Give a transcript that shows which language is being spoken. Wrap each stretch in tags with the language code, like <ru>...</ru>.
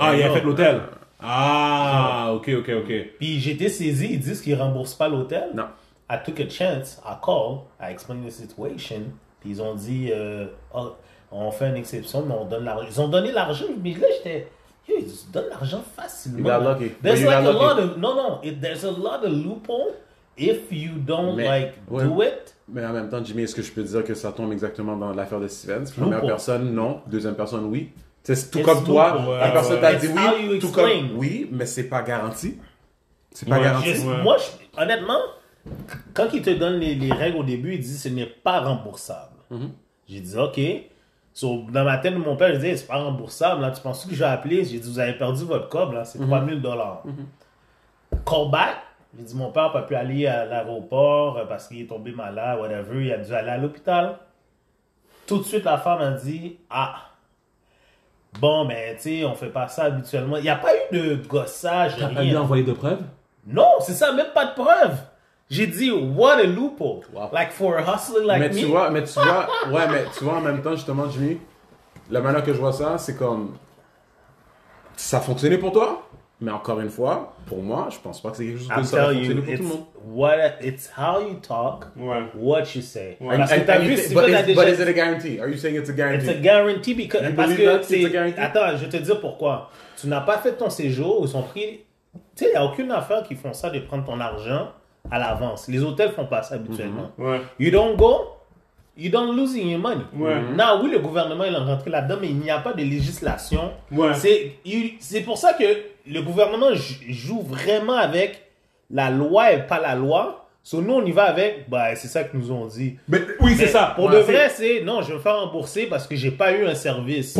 <fr>Ah, il a fait l'hôtel. Ah, ok. Puis j'étais saisi. Ils disent qu'ils ne remboursent pas l'hôtel. Non.</fr> <en>I took a chance. I called. I explained the situation.</en> <fr>Puis ils ont dit. On fait une exception, mais on donne l'argent. Ils ont donné l'argent, mais là, j'étais... Yo, ils donnent l'argent facilement.</fr> <en>You got lucky. There's like a lot of...</en> <fr>Non.</fr> <en>There's a lot of loophole if you don't, do it.</en> <fr>Mais en même temps, Jimmy, est-ce que je peux dire que ça tombe exactement dans l'affaire de Stevens? Loophole. Première personne, non. Deuxième personne, oui. C'est tout comme toi. La personne t'a dit oui. Tout comme oui, mais c'est pas garanti. C'est pas garanti. Moi, honnêtement, quand ils te donnent les règles au début, ils disent que ce n'est pas remboursable. J'ai dit, OK... So, dans ma tête, mon père, je disais, c'est pas remboursable. Là. Tu penses que j'ai appelé? J'ai dit, vous avez perdu votre cob, là. C'est 3 000 $.</fr> <en>Call back.</en> <fr>J'ai dit, mon père n'a pas pu aller à l'aéroport parce qu'il est tombé malade, whatever. Il a dû aller à l'hôpital. Tout de suite, la femme a dit, ah, bon, mais tu sais, on fait pas ça habituellement. Il n'y a pas eu de gossage. T'as pas eu envoyé de preuves? Non, c'est ça, même pas de preuves. J'ai dit,</fr> <en>what a loophole. Wow. Like for a hustler like</en> <fr>mais</fr> <en>me.</en> <fr>Mais tu vois, ouais, mais tu vois, en même temps, justement, Jimmy, la manière que je vois ça, c'est comme, ça a fonctionné pour toi, mais encore une fois, pour moi, je pense pas que c'est quelque chose que ça a fonctionné pour tout le monde.</fr> <en>What it's how you talk, what you say. But is it a guarantee? Are you saying it's a guarantee? It's a guarantee because</en> <fr>attends, je te dis pourquoi. Tu n'as pas fait ton séjour, ils ont pris, tu sais, il n'y a aucune affaire qui font ça de prendre ton argent à l'avance. Les hôtels font pas ça habituellement. Ouais.</fr> <en>You don't go, you don't lose your money.</en> <fr>Ouais. Mm-hmm. Non, oui, le gouvernement il est rentré là-dedans, mais il n'y a pas de législation. Ouais. C'est pour ça que le gouvernement joue vraiment avec la loi et pas la loi. So, nous, on y va avec, bah, c'est ça qu'ils nous ont dit. Mais, oui, mais c'est ça. Pour de vrai, c'est non, je vais me faire rembourser parce que j'ai pas eu un service.</fr>